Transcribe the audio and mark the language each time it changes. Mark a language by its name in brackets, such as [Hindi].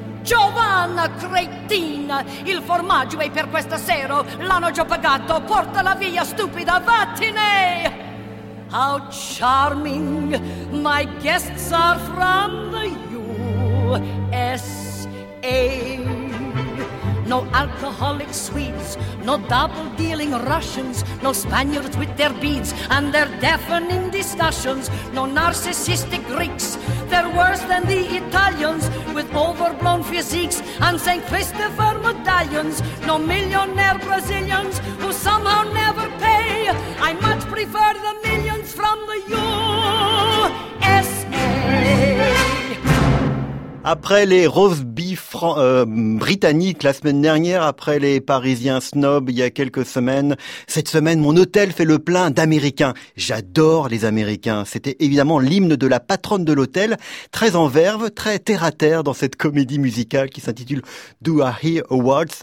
[Italian] Giovanna cretina, il formaggio è per questa sera, l'hanno già pagato, portala via, stupida, vattene! [English] How charming, my guests are from the USA. No alcoholic Swedes, no double-dealing Russians, no Spaniards with their beads and their deafening discussions, no narcissistic Greeks, they're worse than the Italians, with overblown physiques and St. Christopher medallions, no millionaire Brazilians who somehow never pay. I much prefer the millions from the USA. [French] Après les roast beef britanniques la semaine dernière, après les parisiens snobs il y a quelques semaines, cette semaine mon hôtel fait le plein d'américains. J'adore les américains. C'était évidemment l'hymne de la patronne de l'hôtel, très en verve, très terre à terre dans cette comédie musicale qui s'intitule Do I Hear a Waltz.